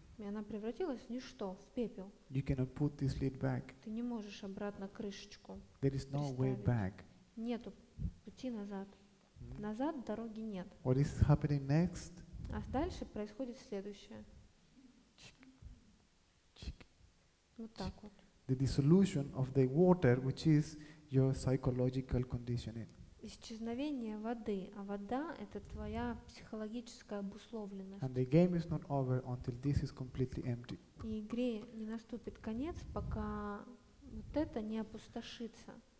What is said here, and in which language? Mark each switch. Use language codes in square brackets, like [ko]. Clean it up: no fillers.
[ru] И она превратилась в ничто, в пепел. [en] You cannot put this lid back. [ru] Ты не можешь обратно крышечку. [en] There is no way back. [ru] Нету пути назад. Назад дороги нет. [en] What is happening next? [ru] А дальше происходит следующее. Вот так вот. [en] The dissolution of the water, which is your psychological conditioning. [ru] Исчезновение воды, а вода — это твоя психологическая обусловленность. [en] And the game is not over until this is completely empty. [ru] И игре не наступит конец, пока вот это не опустошится.